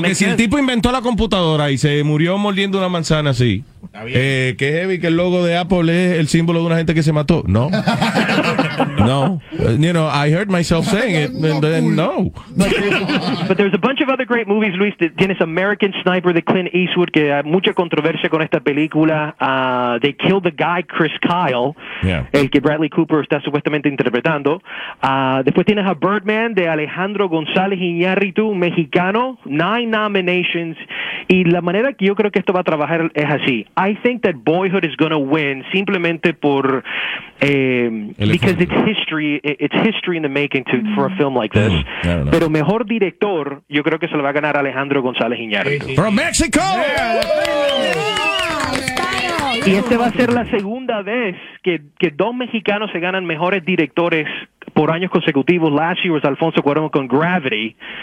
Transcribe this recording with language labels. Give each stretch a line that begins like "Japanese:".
Spanish: Porque si el tipo inventó la computadora y se murió mordiendo una manzana así, qué heavy que el logo de Apple es el símbolo de una gente que se mató. No.
English: No, you know, I heard myself saying it, and then no. But there's a bunch of other great movies, Luis.
Spanish: Tienes American Sniper de Clint Eastwood, que hay mucha controversia con esta película.
English: They Killed the Guy, Chris Kyle, yeah,
Spanish: el que Bradley Cooper está supuestamente interpretando. Después tienes a Birdman de Alejandro González Iñárritu, mexicano.
English: 9 nominations.
Spanish: Y la manera que yo creo que esto va a trabajar es así.
English: I think that Boyhood is going to win
Spanish: simplemente por...
English: because it's history in the making for a film like this.
Spanish: Pero mejor director, yo creo que se lo va a ganar Alejandro González Iñárritu.
English: From Mexico! Yeah.
Spanish: Y este va a ser la segunda vez que dos mexicanos se ganan mejores directores por años consecutivos.
English: Last year was Alfonso Cuarón con Gravity.